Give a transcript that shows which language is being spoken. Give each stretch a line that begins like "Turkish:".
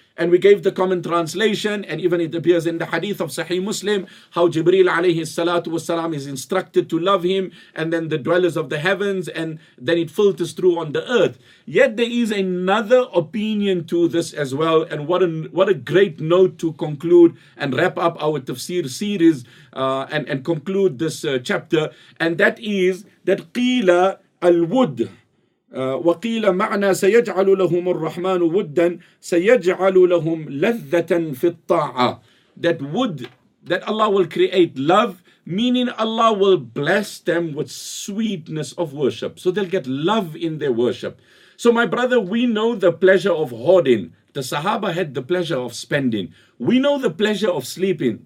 English: And we gave the common translation, and even it appears in the hadith of Sahih Muslim, how Jibreel alayhi salatu wasalam is instructed to love him, and then the dwellers of the heavens, and then it filters through on the earth. Yet there is another opinion to this as well, and what a great note to conclude and wrap up our tafsir series and conclude this chapter. And that is that qila al-wud.
Arabic: وقيل معنى سيجعل لهم الرحمن ودا سيجعل لهم لذة في الطاعة.
English: That would, that Allah will create love, meaning Allah will bless them with sweetness of worship. So they'll get love in their worship. So my brother, we know the pleasure of hoarding. The Sahaba had the pleasure of spending. We know the pleasure of sleeping.